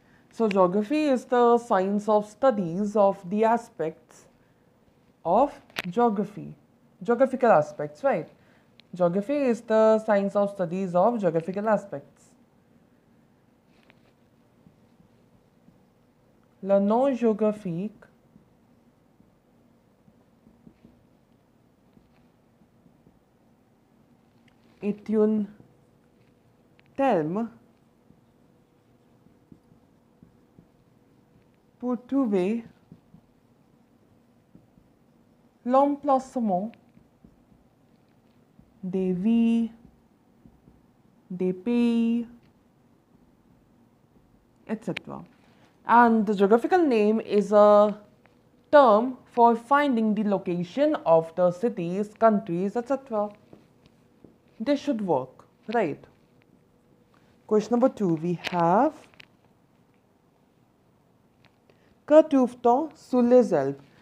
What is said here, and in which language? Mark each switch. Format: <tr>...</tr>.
<en>So geography is the science of studies of the aspects of geography, geographical aspects, right? Geography is the science of studies of geographical aspects.</en> <fr>La non-géographique est un terme pour trouver l'emplacement des villes, des pays, etc.</fr> <en>And the geographical name is a term for finding the location of the cities, countries, etc. This should work, right? Question number 2, we have,</en> <fr>que trouve-t-on sous les Alpes?</fr>